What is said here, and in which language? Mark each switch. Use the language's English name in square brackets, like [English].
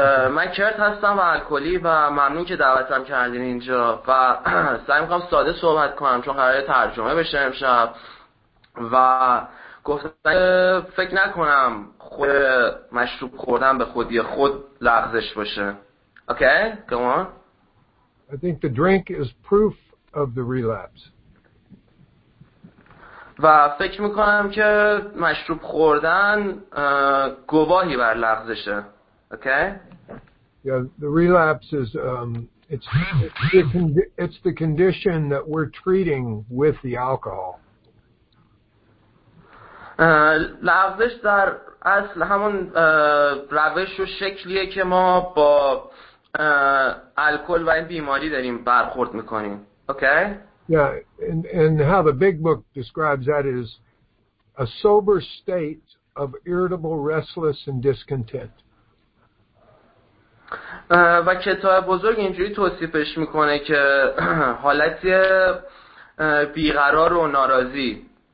[Persian] من کرت هستم و الکلی و ممنون که دعوتم کردین اینجا و سعی میکنم ساده صحبت کنم چون قرار ترجمه بشه امشب و گفتم فکر نکنم خود مشروب خوردن به خودی خود لغزش باشه. [English] Okay, come on. I think the drink is proof of the relapse. [Persian] و فکر میکنم که مشروب خوردن گواهی بر لغزشه. [English] Okay. Yeah, the relapse is it's the condition that we're treating with the alcohol. [Persian] لغزش در اصل همون روش و شکلیه که ما با الکل و این بیماری داریم برخورد میکنیم. [English] Okay. Yeah, and how the big book describes that is a sober state of irritable, restless, and discontent. [Persian] و کتاب بزرگ اینجوری توصیفش میکنه که حالتی بیقرار و ناراضی.